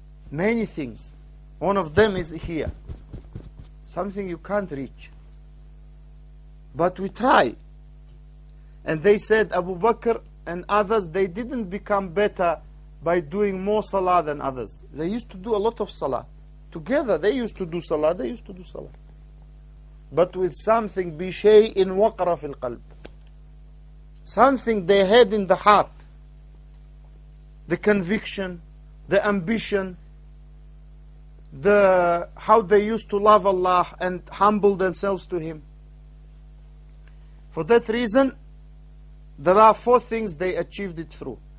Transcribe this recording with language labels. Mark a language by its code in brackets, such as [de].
[en] Many things. One of them is here. Something you can't reach. But we try. And they said Abu Bakr and others, they didn't become better by doing more salah than others. They used to do a lot of salah. Together they used to do salah, they used to do salah. But with something, [ar] بشيء وقر في القلب. [en] Something they had in the heart. The conviction, the ambition, the how they used to love Allah and humble themselves to Him. For that reason, there are four things they achieved it through.